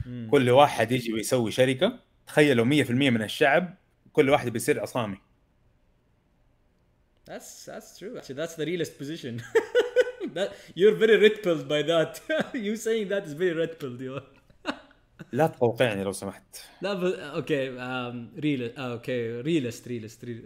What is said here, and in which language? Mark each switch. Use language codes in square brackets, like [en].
[ar] كل واحد يجي ويسوي شركة، تخيلوا 100% من الشعب كل واحد بيصير عصامي. [en] That's true actually. That's the realest position. That you're very red pilled by that. You saying that is very red pilled. You [ar] لا توقعني لو سمحت. لا اوكي realist.